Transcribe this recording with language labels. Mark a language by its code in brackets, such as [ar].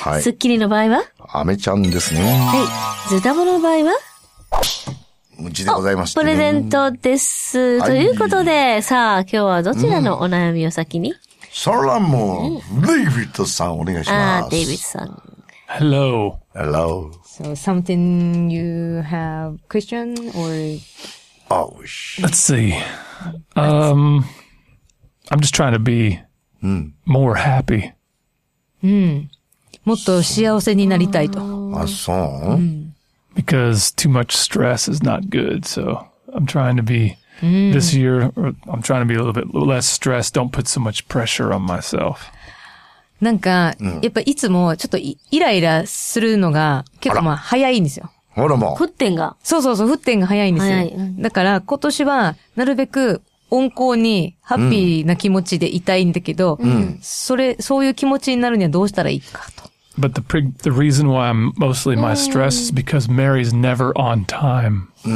[ja] はい、すっきりの場合はアメちゃんですね。はい。ズタボの場合はうちでございました。プレゼントです。はい、ということで、さあ、今日はどちらのお悩みを先に、それはもう、デイビッドさんお願いします。ああ、デイビッドさん。 [en] Hello. Hello. So, something you have question or? Oh, wish. Let's see. I'm just trying to be more happy. [ja] もっと幸せになりたいと。あ、そう。 [en] Because too much stress is not good, so I'm trying to be this year. Or I'm trying to be a little bit less stressed. Don't put so much pressure on myself. [ja] なんかやっぱいつもちょっとイライラするのが結構まあ早いんですよ。ほらもう。沸点が。そうそうそう、沸点が早いんですよ。早い。だから今年はなるべく温厚にハッピーな気持ちでいたいんだけど、そういう気持ちになるにはどうしたらいいかと。 [en] But the reason why I'm mostly my stress is because Mary's never on time.